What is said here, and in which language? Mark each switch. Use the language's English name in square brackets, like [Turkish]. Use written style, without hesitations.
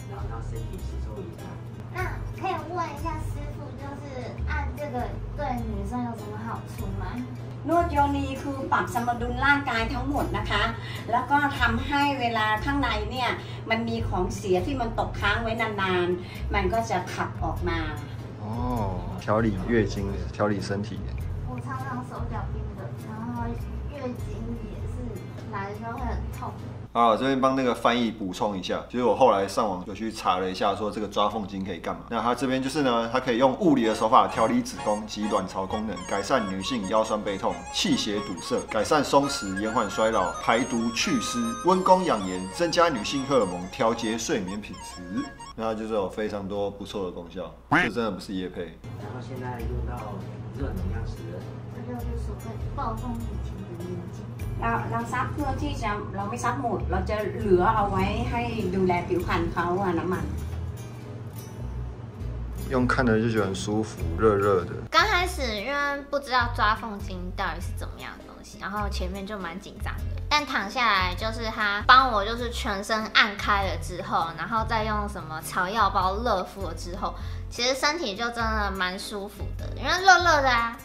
[Chinese] 这个草药包里面放满很多种泰国让身体吸收一下。那可以问一下师傅，就是按这个对女生有什么好处吗？ [Thai] นวดย้อนนี้คือปรับสมดุลร่างกายทั้งหมดนะคะแล้วก็ทำให้เวลาข้างในเนี่ยมันมีของเสียที่มันตกค้างไว้นานๆมันก็จะขับออกมา [Chinese] โอ้调理月经调理身体我常常手脚冰的然后月经男生会很痛啊，这边帮那个翻译补充一下，就是我后来上网有去查了一下，说这个抓凤筋可以干嘛？那它这边就是呢，它可以用物理的手法调理子宫及卵巢功能，改善女性腰酸背痛、气血堵塞，改善松弛、延缓衰老、排毒祛湿、温宫养颜，增加女性荷尔蒙，调节睡眠品质。那就是有非常多不错的功效，这真的不是业配。然后现在用到热能量石，这叫做所谓暴风雨前的年纪。 [Thai] เราซับเพื่อที่จะเราไม่ซับหมดเราจะเหลือเอาไว้ให้ดูแลผิวพรรณเขาอะน้ำมัน [Chinese] 用看的就觉得很舒服，热热的。刚开始因为不知道抓缝巾到底是怎么样的东西，然后前面就蛮紧张的。但躺下来就是他帮我就是全身按开了之后，然后再用什么草药包热敷了之后，其实身体就真的蛮舒服的，因为热热的啊。